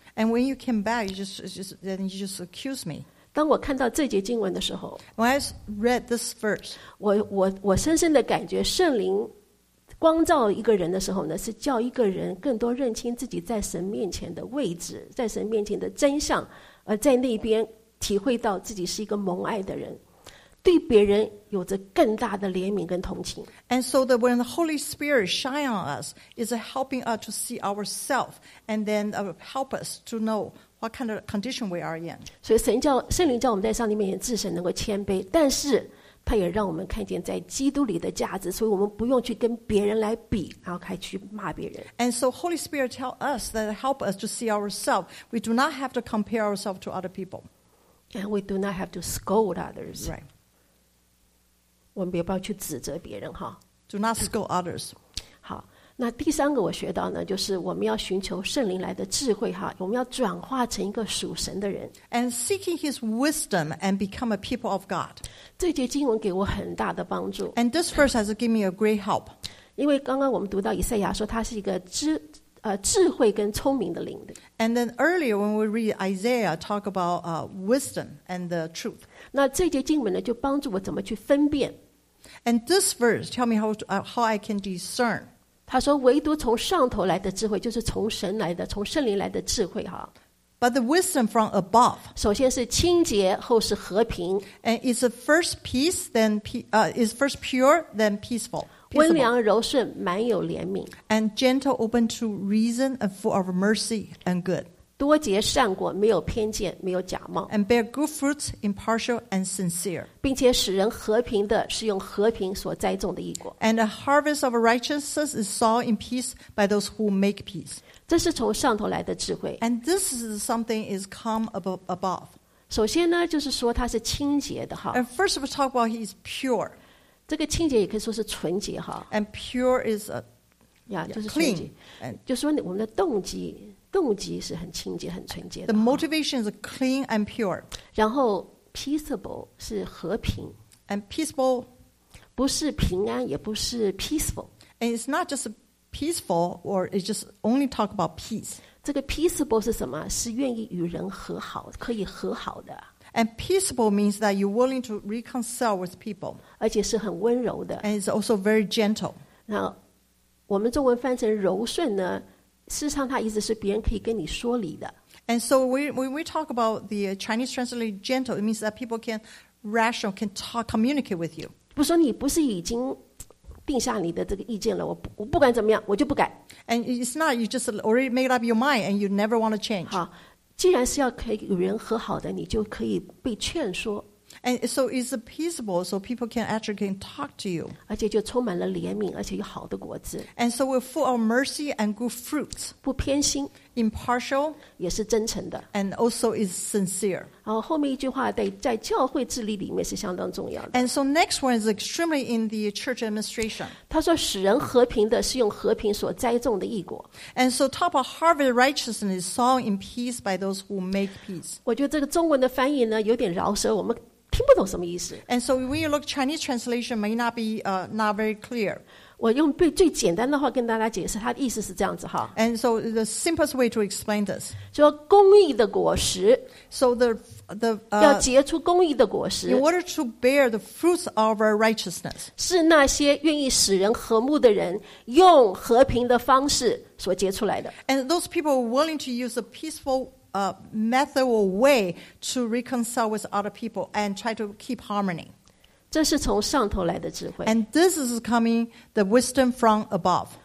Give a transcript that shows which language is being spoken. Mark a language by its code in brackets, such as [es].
[en] And when you came back, you just accused me [zh] 当我看到这节经文的时候 [en] When I read this verse [zh] 我深深的感觉圣灵光照一个人的时候呢是叫一个人更多认清自己在神面前的位置在神面前的真相而在那边体会到自己是一个蒙爱的人对别人有着更大的怜悯跟同情 [en] And so that when the Holy Spirit shines on us is helping us to see ourselves and then help us to knowWhat kind of condition we are in? [zh] 所以圣灵叫我们在上帝面前自省能够谦卑，但是他也让我们看见在基督里的价值，所以我们不用去跟别人来比，然后开始去骂别人。 [en] And so Holy Spirit tell us that help us to see ourselves. We do not have to compare ourselves to other people. And we do not have to scold others. Right. [zh] 我们也不要去指责别人哈。 [en] Do not scold others. [zh] 好。那第三个我学到呢就是我们要寻求圣灵来的智慧哈我们要转化成一个属神的人 [en] And seeking his wisdom and become a people of God [zh] 这节经文给我很大的帮助 [en] And this verse has given me a great help [zh] 因为刚刚我们读到以赛亚说他是一个 智慧跟聪明的灵 [en] And then earlier when we read Isaiah talk about wisdom and the truth [zh] 那这节经文呢就帮助我怎么去分辨 [en] And this verse tell me how I can discern [zh] 他说唯独从上头来的智慧就是从神来的从圣灵来的智慧哈 [en] But the wisdom from above [zh] 首先是清洁后是和平 [en] And is the first peace then is first pure then peaceful [zh] 温良柔顺满有怜悯 [en] And gentle open to reason and full of mercy and good [zh] 多结善果没有偏见没有假冒 [en] And bear good fruits impartial and sincere [zh] 并且使人和平的是用和平所栽种的义果 [en] And a harvest of righteousness is sown in peace by those who make peace [zh] 这是从上头来的智慧 [en] And this is something is come above [zh] 首先呢就是说它是清洁的 [en] And first of all talk about he is pure [zh] 这个清洁也可以说是纯洁 [en] And pure is [zh] clean 就是说我们的动机是很清洁很纯洁的 [en] The motivation is clean and pure [zh] 然后 peaceable 是和平 [en] And peaceable [zh] 不是平安也不是 peaceful [en] And it's not just peaceful or it's just only talk about peace [zh] 这个 peaceable 是什么？是愿意与人和好，可以和好的。 [en] And peaceable means that you're willing to reconcile with people. [zh] 而且是很温柔的。 [en] And it's also very gentle. [zh] 那我们中文翻成柔顺呢，事实上它意思是别人可以跟你说理的。 [en] And so when we talk about the Chinese translation gentle, it means that people can rational, can talk, communicate with you. [zh] 不说你不是已经定下你的这个意见了，我不管怎么样，我就不改。 [en] And it's not, you just already made up your mind and you never want to change. [zh] 好，既然是要可以与人和好的，你就可以被劝说。 [en] And so it's peaceable, so people can actually can talk to you. [zh] 而且就充满了怜悯，而且有好的果子。 [en] And so we're full of mercy and good fruits. [zh] 不偏心。 [en] Impartial. [zh] 也是真诚的。 [en] And also is sincere. [zh] 然后后面一句话在教会治理里面是相当重要的。 [en] And so next one is extremely in the church administration. [zh] 他说使人和平的是用和平所栽种的义果。 [en] And so top of harvest righteousness is sown in peace by those who make peace. [zh] 我觉得这个中文的翻译呢有点饶舌，我们听不懂什么意思。 [en] And so when you look Chinese translation may not be not very clear. [zh] 我用最简单的话跟大家解释，它的意思是这样子哈。 [en] And so the simplest way to explain this. [zh] 说公义的果实。 [en] So the [zh] 要结出公义的果实。 [en] In order to bear the fruits of our righteousness. [zh] 是那些愿意使人和睦的人用和平的方式所结出来的。 [en] And those people are willing to use a peaceful method or way to reconcile with other people and try to keep harmony. [zh] 这是从上头来的智慧。 [en] And this is coming the wisdom from above.